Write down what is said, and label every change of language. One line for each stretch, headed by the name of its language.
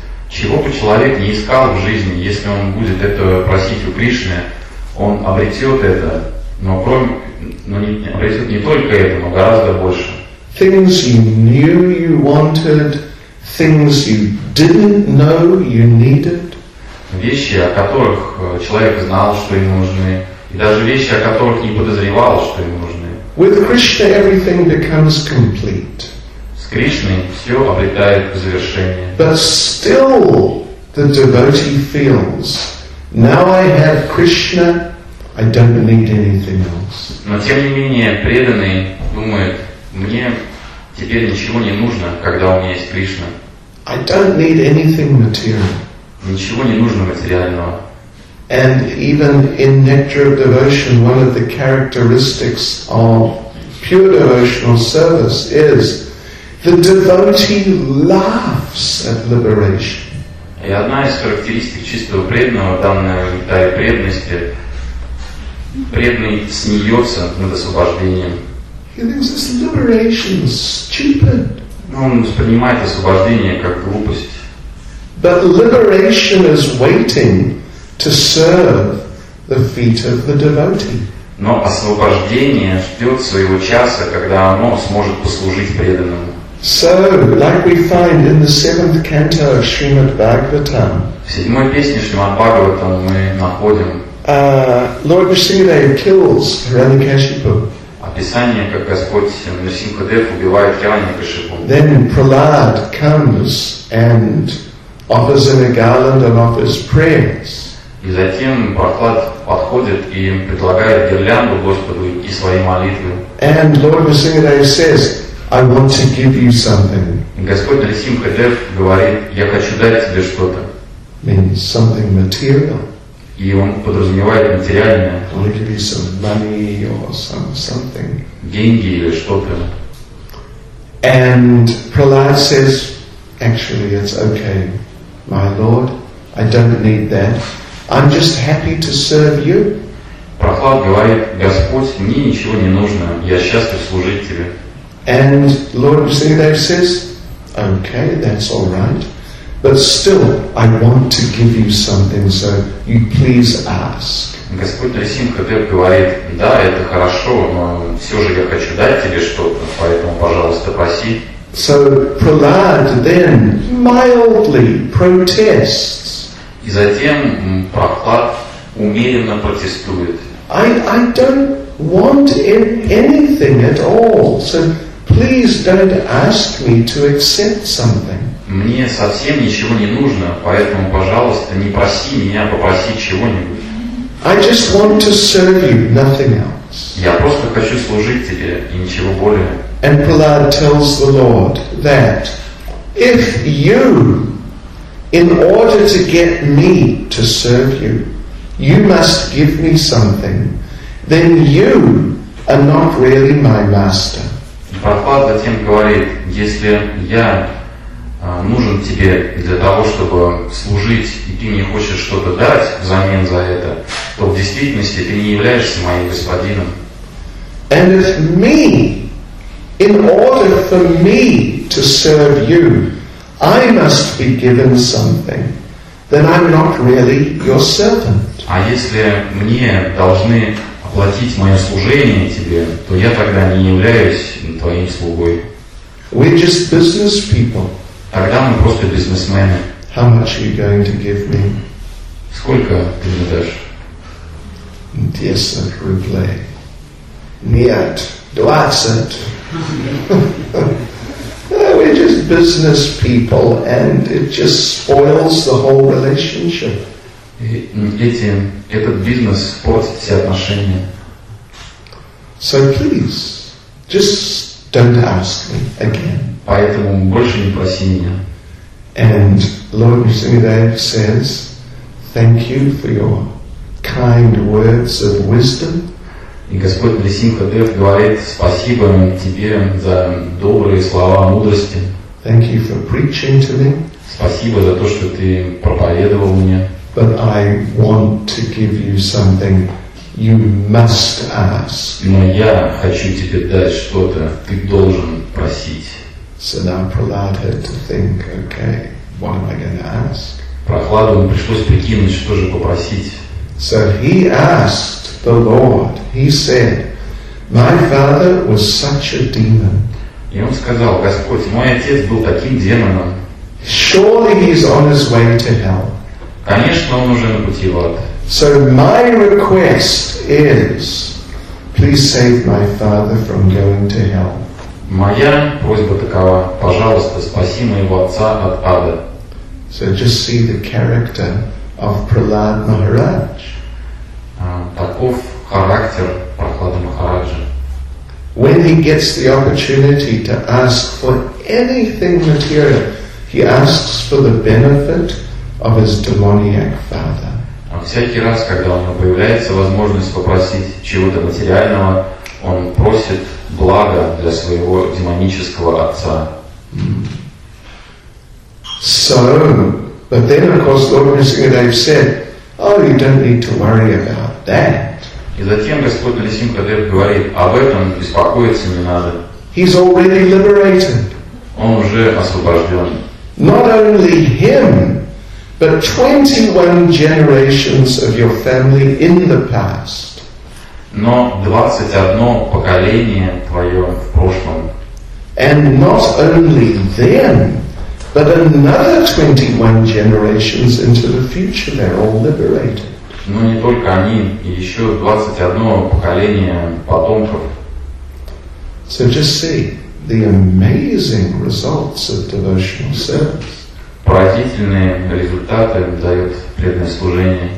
Russian: Чего бы человек не искал в жизни, если он будет это просить у Кришны, он обретет это, обретет не только это, но гораздо больше.
English: Things you knew you wanted, things you didn't know you needed.
Russian: Вещи, о которых человек знал, что ему нужны, и даже вещи, о которых не подозревал, что ему нужны.
English: With Krishna everything becomes complete.
Russian: С Кришной все обретает завершение.
English: But still the devotee feels, now I have Krishna, I don't need anything else.
Russian: Но тем не менее преданный думает, мне теперь ничего не нужно, когда у меня есть Кришна.
English: I don't need anything material.
Russian: Ничего не нужно материального.
English: And even in nectar of devotion, one of the characteristics of pure devotional service is the devotee laughs at liberation.
Russian: И одна из характеристик чистого преданного, данная в Гитаре преданности, преданный смеется над освобождением.
English: He thinks it's liberation, stupid.
Russian: Он воспринимает освобождение как глупость.
English: But liberation is waiting to serve the feet of the devotee.
Russian: Но освобождение ждет своего часа, когда оно сможет послужить преданному.
English: So, like we find in the seventh canto of Srimad Bhagavatam,
Russian: в седьмой песне Шримад Бхагаватам мы находим
English: Lord Nrsimhadev kills Hiranyakashipu.
Russian: Описание, как Господь Нрсимхадев убивает Хираньякашипу.
English: Then Prahlad comes and offers him a garland and offers prayers.
Russian: И затем Прохлад подходит и предлагает гирлянду Господу и свои молитвы.
English: And Lord Nrsimhadev says, I want to give you something.
Russian: Господь Нрсимхадев говорит, я хочу дать тебе что-то.
English: Means something material.
Russian: И он подразумевает материальное.
English: I'll give you some money or something.
Russian: Деньги или что-то.
English: And Prahlad says, actually it's okay, my lord, I don't need that. I'm just happy to serve you.
Russian: Прохлад говорит, Господь, мне ничего не нужно, я счастлив служить тебе.
English: And Lord Vasudev says, okay, that's all right, but still, I want to give you something, so you please ask.
Russian: Господь Нрсимхадев говорит, да, это хорошо, но все же я хочу дать тебе что-то, поэтому, пожалуйста, проси.
English: So Prahlad then mildly protests.
Russian: И затем Прохлад умеренно протестует.
English: I don't want anything at all, so please don't ask me to accept something.
Russian: Мне совсем ничего не нужно, поэтому, пожалуйста, не проси меня попросить чего-нибудь.
English: I just want to serve you, nothing else.
Russian: Я просто хочу служить тебе и ничего более.
English: And Prahlad tells the Lord that if you, in order to get me to serve you, you must give me something, then you are not really my master.
Russian: Прохлад затем говорит, если я нужен тебе для того, чтобы служить, и ты не хочешь что-то дать взамен за это, то в действительности ты не являешься моим господином.
English: And if me, in order for me to serve you, I must be given something, then I'm not really your servant.
Russian: А если мне должны платить мое служение тебе, то я тогда не являюсь твоим слугой.
English: We're just business people.
Russian: Тогда мы просто бизнесмены.
English: How much are you going to give me?
Russian: Сколько ты мне дашь? 10 рублей. Нет, 20.
English: We're just business people, and it just spoils the whole relationship.
Russian: Этот бизнес портит все отношения.
English: So please, just don't ask me again.
Russian: Поэтому больше не проси меня.
English: And Lord Nrsimhadev says, thank you for your kind words of wisdom.
Russian: И Господь Нрсимхадев говорит, спасибо тебе за добрые слова мудрости.
English: Thank you for preaching to me.
Russian: Спасибо за то, что ты проповедовал мне.
English: But I want to give you something. You must ask.
Russian: Но я хочу тебе дать что-то. Ты должен просить.
English: So now Prahlad had to think, okay, what am I going to ask?
Russian: Прохладу пришлось прикинуть, что же попросить.
English: So he asked the Lord. He said, my father was such a demon.
Russian: И он сказал, Господь, мой отец был таким демоном.
English: Surely he is on his way to hell.
Russian: Конечно, он уже на пути в ад.
English: So my request is, please save my father from going to hell.
Russian: Моя просьба такова, пожалуйста, спаси моего отца от ада.
English: So just see the character of Prahlad Maharaj.
Russian: Таков характер Прохлады Махараджа.
English: When he gets the opportunity to ask for anything material, he asks for the benefit of his demoniac father.
Russian: Всякий раз, когда у него появляется возможность попросить чего-то материального, он просит блага для своего демонического отца.
English: So, But then, of course, Lord Nisimhadev said, "Oh, you don't need to worry about that."
Russian: И затем Господь Нисимхадев говорит, об этом беспокоиться не надо.
English: He's already liberated.
Russian: Он уже освобожден.
English: Not only him, but 21 generations of your family in the past.
Russian: Но 21 поколение твое в прошлом.
English: And not only them, but another 21 generations into the future, they're all liberated.
Russian: Но не только они, еще 21 поколение потомков.
English: So just see the amazing results of devotional service.
Russian: Поразительные результаты дает преданное служение.